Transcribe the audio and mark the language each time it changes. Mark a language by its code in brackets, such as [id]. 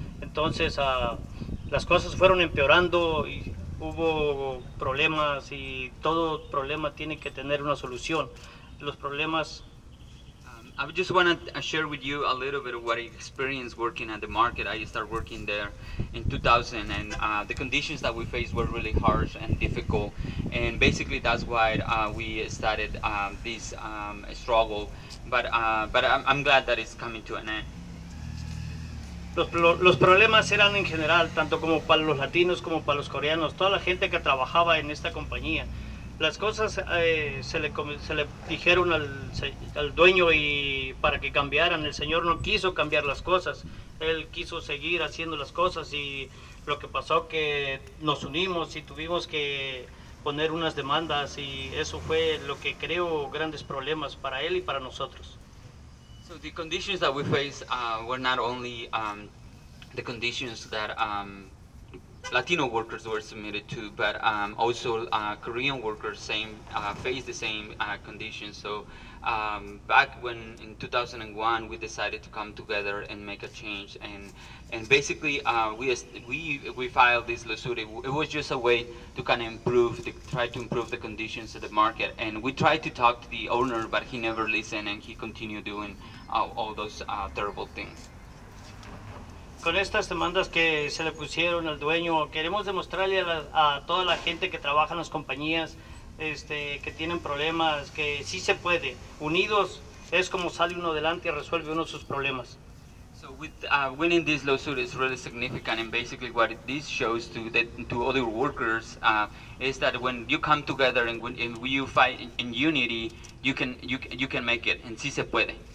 [es] Entonces, las cosas fueron empeorando y hubo problemas, y todo problema tiene que tener una solución. Los problemas. [en] I just want to share with you a little bit of what I experienced working at the market. I started working there in 2000, and the conditions that we faced were really harsh and difficult. And basically, that's why we started this struggle. But I'm glad that it's coming to an end. [es] Los problemas eran en general, tanto como para los latinos como para los coreanos, toda la gente que trabajaba en esta compañía. Las cosas se le dijeron al dueño y para que cambiaran. El señor no quiso cambiar las cosas. Él quiso seguir haciendo las cosas, y lo que pasó que nos unimos y tuvimos que poner unas demandas, y eso fue lo que creó grandes problemas para él y para nosotros. [en] So the conditions that we faced were not only the conditions that Latino workers were submitted to, but also Korean workers faced the same condition. So back when in 2001, we decided to come together and make a change, and basically we filed this lawsuit. It was just a way to kind of try to improve the conditions of the market. And we tried to talk to the owner, but he never listened, and he continued doing all those terrible things. [es] Con estas demandas que se le pusieron al dueño, queremos demostrarle a toda la gente que trabaja en las compañías que tienen problemas, que sí se puede. Unidos es como sale uno adelante y resuelve uno sus problemas. [en] So with winning this lawsuit is really significant, and basically what this shows to other workers is that when you come together and you fight in unity, you can make it, and [es] sí se puede.